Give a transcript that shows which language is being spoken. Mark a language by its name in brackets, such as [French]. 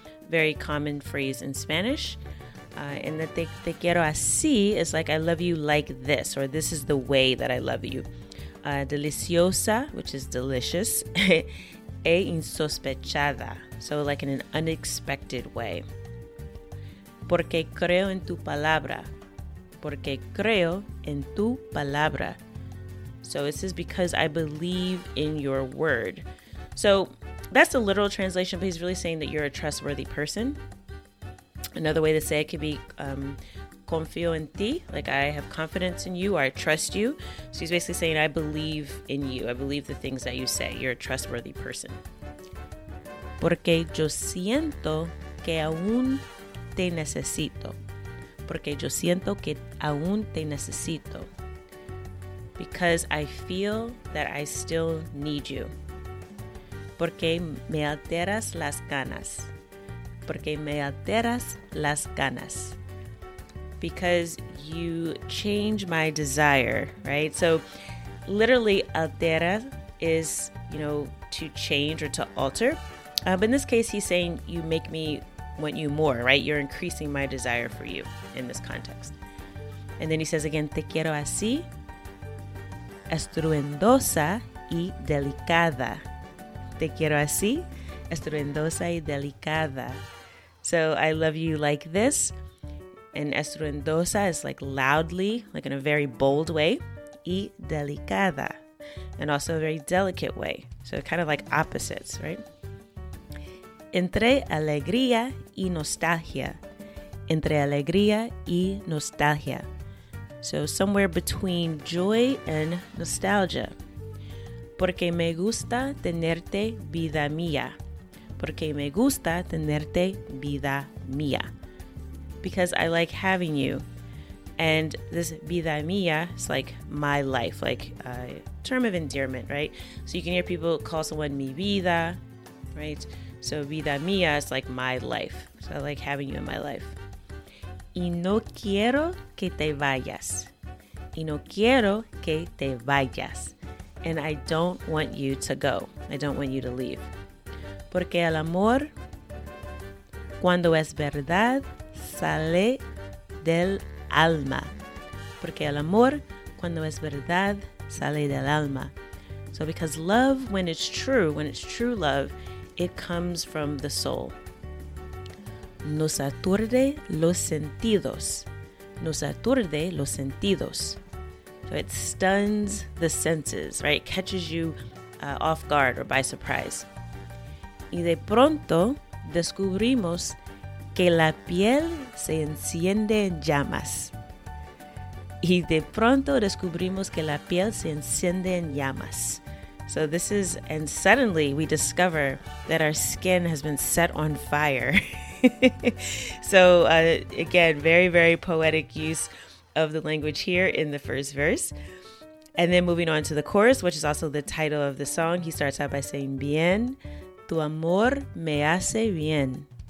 [English] Very common phrase in Spanish. And the [Spanish] te quiero así [English] is like, I love you like this, or this is the way that I love you. Deliciosa, which is delicious, [Spanish] e insospechada, [English] so like in an unexpected way. [Spanish] Porque creo en tu palabra, porque creo en tu palabra. [English] So this is because I believe in your word. So that's the literal translation, but he's really saying that you're a trustworthy person. Another way to say it could be [Spanish] confío en ti, [English] like I have confidence in you or I trust you. So he's basically saying, I believe in you. I believe the things that you say. You're a trustworthy person. [Spanish] Porque yo siento que aún te necesito. Porque yo siento que aún te necesito. [English] Because I feel that I still need you. [Spanish] Porque me alteras las ganas. Porque me alteras las ganas. [English] Because you change my desire, right? So literally altera is, you know, to change or to alter. But in this case, he's saying you make me want you more, right? You're increasing my desire for you in this context. And then he says again, [Spanish] te quiero así, estruendosa y delicada. Te quiero así, estruendosa y delicada. [English] So I love you like this, and estruendosa is like loudly, like in a very bold way, [Spanish] y delicada, [English] and also a very delicate way. So kind of like opposites, right? [Spanish] Entre alegría y nostalgia. Entre alegría y nostalgia. [English] So somewhere between joy and nostalgia. [Spanish] Porque me gusta tenerte vida mía. Porque me gusta tenerte vida mía. [English] Because I like having you. And this [Spanish] vida mía [English] is like my life, like a term of endearment, right? So you can hear people call someone [Spanish] mi vida, [English] right? So [Spanish] vida mía [English] is like my life. So I like having you in my life. [Spanish] Y no quiero que te vayas. Y no quiero que te vayas. [English] And I don't want you to go. I don't want you to leave. [Spanish] Porque el amor, cuando es verdad, sale del alma. Porque el amor, cuando es verdad, sale del alma. [English] So because love, when it's true love, it comes from the soul. [Spanish] Nos aturde los sentidos. Nos aturde los sentidos. [English] So it stuns the senses, right? It catches you off guard or by surprise. [Spanish] Y de pronto descubrimos que la piel se enciende en llamas. Y de pronto descubrimos que la piel se enciende en llamas. [English] So this is, and suddenly we discover that our skin has been set on fire. So again, very, very poetic use of the language here in the first verse. And then moving on to the chorus, which is also the title of the song, he starts out by saying, [Spanish] bien, tu amor me hace bien.